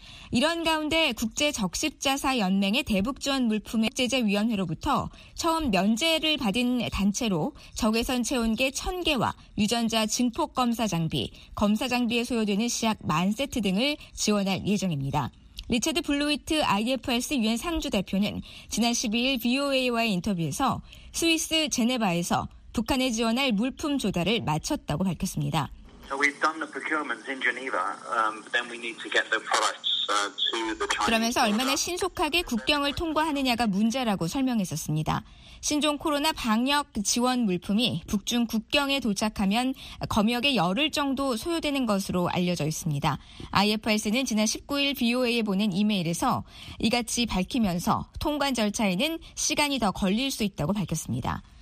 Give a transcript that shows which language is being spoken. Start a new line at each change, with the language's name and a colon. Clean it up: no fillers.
Korean: 이런 가운데 국제적십자사연맹의 대북지원 물품의 제재위원회로부터 처음 면제를 받은 단체로 적외선 체온계 1,000개와 유전자 증폭검사 장비, 검사 장비에 소요되는 시약 만 세트 등을 지원할 예정입니다. 리처드 블루이트 IFRS 유엔 상주 대표는 지난 12일 VOA와의 인터뷰에서 스위스 제네바에서 북한에 지원할 물품 조달을 마쳤다고 밝혔습니다.
English: So we've done the procurements in Geneva, then we need to get the products.
Korean: 그러면서 얼마나 신속하게 국경을 통과하느냐가 문제라고 설명했었습니다. 신종 코로나 방역 지원 물품이 북중 국경에 도착하면 검역에 열흘 정도 소요되는 것으로 알려져 있습니다. IFRS는 지난 19일 VOA에 보낸 이메일에서 이같이 밝히면서 통관 절차에는 시간이 더 걸릴 수 있다고 밝혔습니다.